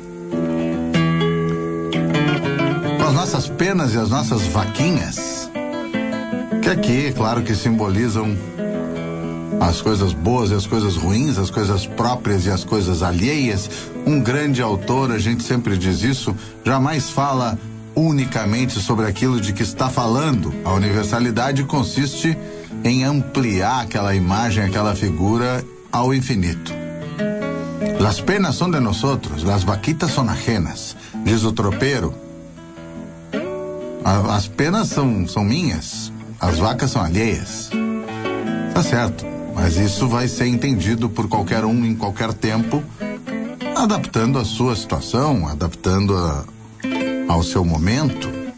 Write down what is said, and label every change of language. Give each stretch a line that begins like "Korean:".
Portuguese: Com as nossas penas e as nossas vaquinhas, que aqui, claro que simbolizam as coisas boas e as coisas ruins, as coisas próprias e as coisas alheias. Um grande autor, a gente sempre diz isso, jamais fala unicamente sobre aquilo de que está falando. A universalidade consiste em ampliar aquela imagem, aquela figura ao infinito.
Spanish: Las penas son de nosotros, las vaquitas son ajenas,
Portuguese: diz o tropeiro. As penas são minhas, as vacas são alheias. Tá certo. Mas isso vai ser entendido por qualquer um em qualquer tempo, adaptando a sua situação, adaptando ao seu momento.